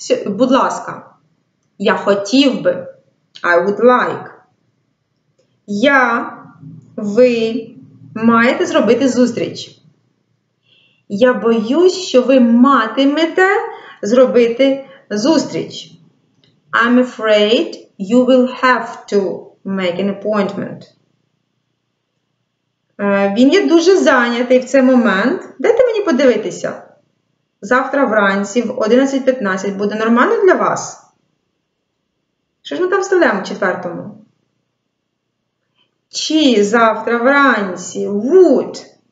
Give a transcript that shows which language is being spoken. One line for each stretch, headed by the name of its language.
Ukrainian: Будь ласка. Я хотів би.
English: I would like.
Ukrainian: Я, ви маєте зробити зустріч. Я боюсь, що ви матимете зробити зустріч.
English: I'm afraid you will have to make an appointment.
Ukrainian: Він є дуже зайнятий в цей момент. Дайте мені подивитися. Завтра вранці в 11:15 буде нормально для вас? Що ж ми там вставляємо четвертому? Чи завтра вранці? Would.